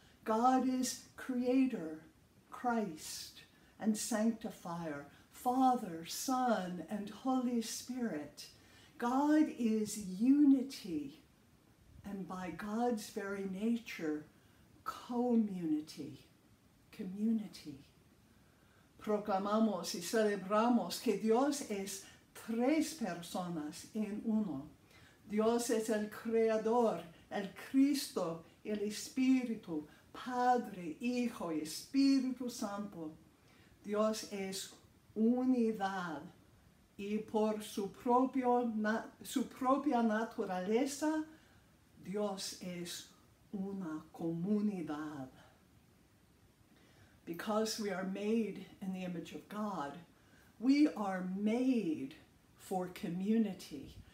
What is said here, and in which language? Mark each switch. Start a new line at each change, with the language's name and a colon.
English: God is Creator, Christ, and Sanctifier, Father, Son, and Holy Spirit. God is unity, and by God's very nature, community, community.
Spanish: Proclamamos y celebramos que Dios es tres personas en uno. Dios es el Creador, el Cristo, el Espíritu, Padre, Hijo y Espíritu Santo. Dios es unidad y por su propia naturaleza, Dios es una comunidad.
English: Because we are made in the image of God, we are made for community.